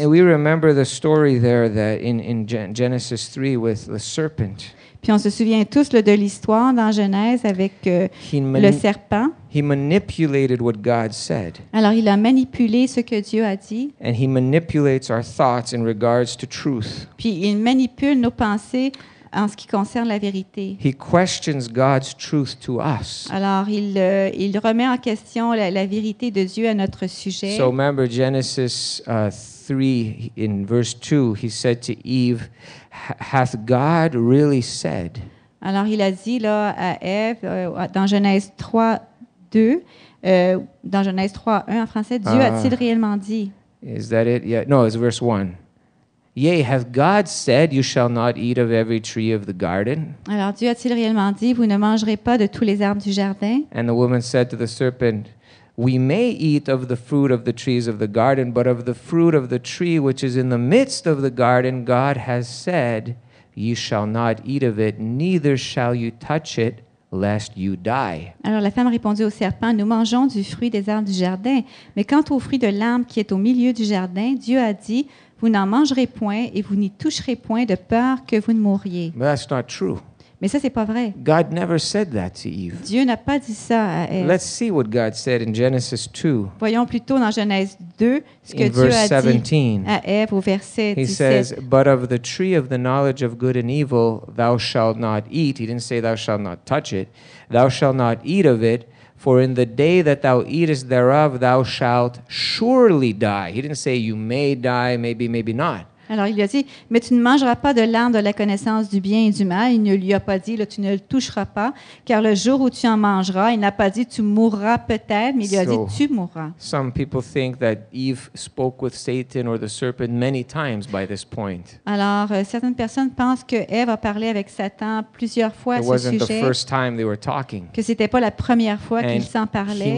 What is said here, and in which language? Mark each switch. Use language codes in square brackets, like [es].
[en] And we remember the story there that in Genesis 3 with the serpent. [fr] Puis on se souvient tous là, de l'histoire dans Genèse avec le serpent. [en] He manipulated what God said. [fr] Alors il a manipulé ce que Dieu a dit. [en] And he manipulates our thoughts in regards to truth. [fr] Puis il manipule nos pensées en ce qui concerne la vérité. [en] He questions God's truth to us. [fr] Alors il remet en question la vérité de Dieu à notre sujet. [en] So remember Genesis 3 in verse 2, he said to Eve, hath God really said? [fr] Alors il a dit là à Ève dans Genèse 3 2 dans Genèse 3 1 en français, Dieu a-t-il réellement dit? [en] Is that it? Yeah. No, it's verse 1. Yea, hath God said, you shall not eat of every tree of the garden? [fr] Alors Dieu a-t-il réellement dit, vous ne mangerez pas de tous les arbres du jardin? [en] And the woman said to the serpent, we may eat of the fruit of the trees of the garden, but of the fruit of the tree which is in the midst of the garden, God has said, you shall not eat of it, neither shall you touch it, lest you die. [fr] Alors la femme répondit au serpent, nous mangeons du fruit des arbres du jardin, mais quant au fruit de l'arbre qui est au milieu du jardin, Dieu a dit, vous n'en mangerez point et vous n'y toucherez point de peur que vous ne mouriez. [en] But that's not true. [fr] Mais ça, c'est pas vrai. [en] God never said that to Eve. [fr] Dieu n'a pas dit ça à Eve. [en] Let's see what God said in Genesis 2. [fr] Voyons plutôt dans Genèse 2 ce [en] in [fr] que [en] verse [fr] Dieu a [en] 17, [fr] dit à Eve au verset 17. [en] He says, but of the tree of the knowledge of good and evil, thou shalt not eat. He didn't say thou shalt not touch it. Thou shalt not eat of it. For in the day that thou eatest thereof, thou shalt surely die. He didn't say you may die, maybe not. [fr] Alors, il lui a dit, mais tu ne mangeras pas de l'arbre de la connaissance du bien et du mal. Il ne lui a pas dit, là, tu ne le toucheras pas, car le jour où tu en mangeras, il n'a pas dit, tu mourras peut-être, mais il lui a dit, tu mourras. [en] Some people think that Eve spoke with Satan or the serpent many times by this point. [fr] Alors, certaines personnes pensent que Eve a parlé avec Satan plusieurs fois à ce sujet. [en] It wasn't the first time they were talking. [fr] Que c'était pas la première fois qu'ils s'en parlaient.